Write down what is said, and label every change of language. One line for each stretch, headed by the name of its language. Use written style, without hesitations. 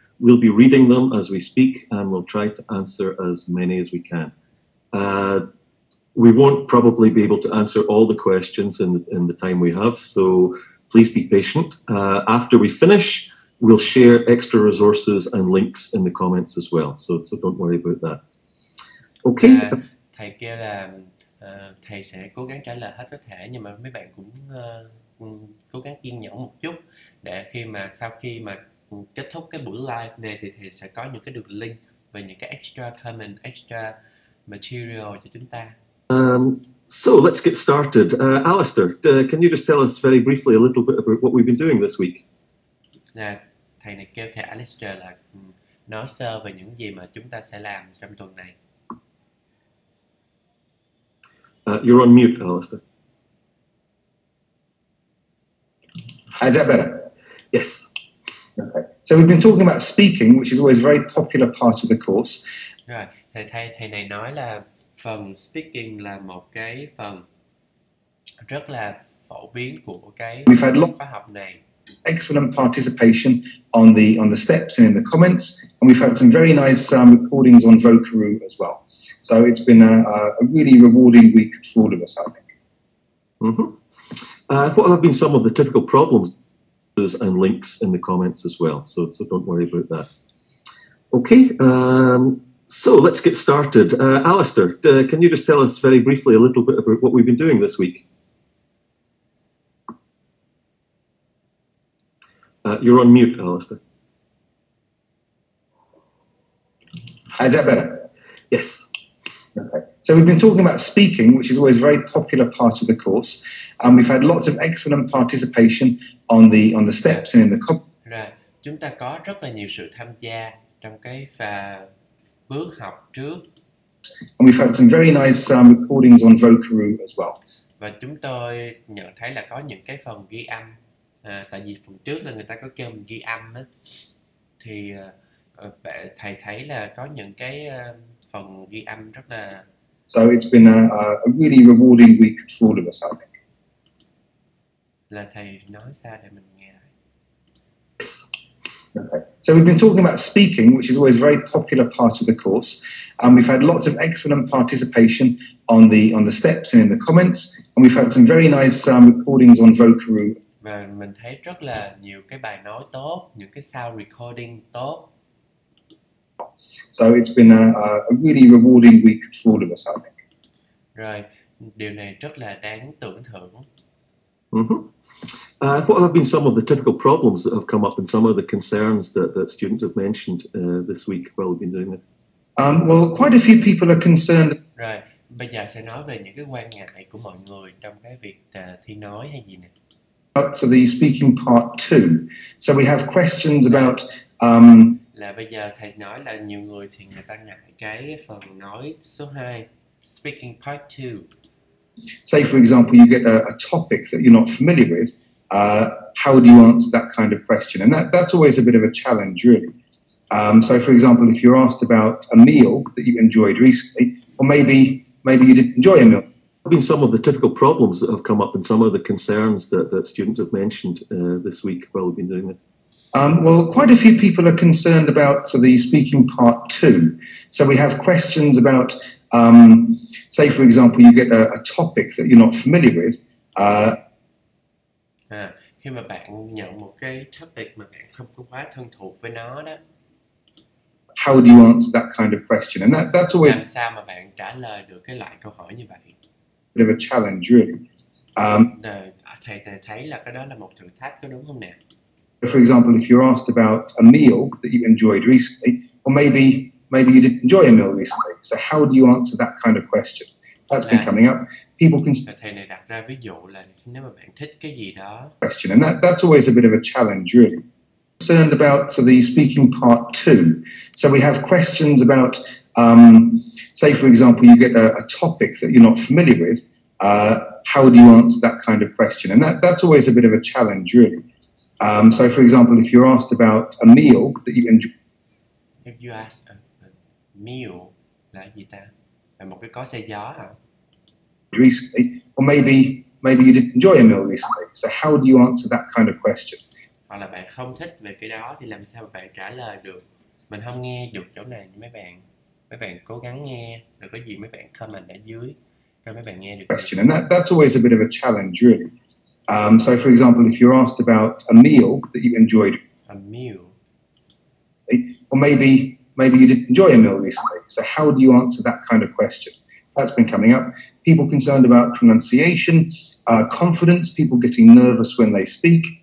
English: We'll be reading them as we speak, and we'll try to answer as many as we can. We won't probably be able to answer all the questions in the time we have, so please be patient. After we finish, we'll share extra resources and links in the comments as well, so don't worry about that. Okay.
Vietnamese: Thầy kêu là thầy sẽ cố gắng trả lời hết có thể, nhưng mà mấy bạn cũng cố gắng kiên nhẫn một chút để khi mà sau khi mà kết thúc cái buổi live này thì thầy sẽ có những cái đường link và những cái
English: extra comment, extra material
Vietnamese: cho chúng ta.
English: So let's get started. Alistair, can you just tell us very briefly a little bit about what we've been doing this week?
Vietnamese: Thầy này kêu thầy Alistair là nói sơ về những gì mà chúng ta sẽ làm trong tuần này.
English: You're on mute, Alistair. Is that better? Yes. Okay. So we've been talking about speaking, which is always a very popular part of the course.
Vietnamese: Rồi, thầy này nói là phần speaking là một cái phần rất là phổ biến của cái khóa học này.
English: Excellent participation on the steps and in the comments, and we've had some very nice recordings on Vocaroo as well. So it's been a really rewarding week for all of us, I think. Mm-hmm. What have been some of the typical problems and links in the comments as well, so don't worry about that. Okay, so let's get started. Alistair, can you just tell us very briefly a little bit about what we've been doing this week? You're on mute, Alistair. Is that better? Yes. Okay. So we've been talking about speaking, which is always a very popular part of the course, and we've had lots of excellent participation on the steps and in the
Vietnamese: Rồi, chúng ta có rất là nhiều sự tham gia trong cái bước học trước.
English: And we've had some very nice recordings on Vocaroo as well.
Vietnamese: Và chúng tôi nhận thấy là có những cái phần ghi âm. Tại vì phần trước là người ta có kêu mình ghi âm á, thì thầy thấy là có những cái phần ghi âm rất là.
English: So it's been a really rewarding week for all of us, I think.
Vietnamese: Là thầy nói sao để mình nghe.
English: Okay. So we've been talking about speaking, which is always a very popular part of the course, and we've had lots of excellent participation on the steps and in the comments, and we've had some very nice recordings on Vocaroo.
Vietnamese: Và mình thấy rất là nhiều cái bài nói tốt, những cái
English: sound recording
Vietnamese: tốt.
English: So it's been a really rewarding week for all of us, I think.
Vietnamese: Rồi, điều này rất là đáng tưởng thưởng.
English: Mm-hmm. What have been some of the typical problems that have come up and some of the concerns that students have mentioned this week while we've been doing this? Well, quite a few people are concerned.
Vietnamese: Rồi, bây giờ sẽ nói về những cái quan ngại của mọi người trong cái việc thi nói hay gì nè.
English: So the speaking part two. So we have questions about.
Vietnamese: Là bây giờ thầy nói là nhiều người thì người ta ngại cái phần nói số 2,
English: speaking part two. Say for example, you get a topic that you're not familiar with. How do you answer that kind of question? And that's always a bit of a challenge, really. So for example, if you're asked about a meal that you enjoyed recently, or maybe you didn't enjoy a meal. Been some of the typical problems that have come up and some of the concerns that students have mentioned this week while we've been doing this? Well, quite a few people are concerned about the speaking part two. So we have questions about, say for example, you get a topic that you're not familiar with.
Vietnamese: Khi mà bạn nhận một cái topic mà bạn không có quá thân thuộc với nó đó.
English: How do you answer that kind of question? And that's always.
Vietnamese: Làm sao mà bạn trả lời được cái loại câu hỏi như vậy?
English: Bit of a challenge, really.
Vietnamese: Thầy thấy là cái đó là một thử thách, có đúng không nè?
English: For example, if you're asked about a meal that you enjoyed recently, or maybe you didn't enjoy a meal recently, so how do you answer that kind of question? That's been coming up. People can.
Vietnamese: Thầy này đặt ra ví dụ là nếu mà bạn thích cái gì đó.
English: Question, and that's always a bit of a challenge, really. Concerned about the speaking part two, so we have questions about Say, for example, you get a topic that you're not familiar with, how do you answer that kind of question? And that's always a bit of a challenge, really. So, for example, if you're asked about a meal that you enjoy... If you ask a meal,
Vietnamese: là gì ta? Là một cái có xe gió hả?
English: Recently, or maybe you didn't enjoy a meal recently. So how do you answer that kind of question?
Vietnamese: Hoặc là bạn không thích về cái đó thì làm sao bạn trả lời được? Mình không nghe được chỗ này, mấy bạn cố gắng nghe, rồi có gì mấy bạn comment ở dưới, cho mấy bạn nghe được.
English: Question, and that's always a bit of a challenge, really. So for example, if you're asked about a meal that you enjoyed, a meal, or maybe you didn't enjoy a meal recently. So how do you answer that kind of question? That's been coming up. People concerned about pronunciation, confidence, people getting nervous when they speak.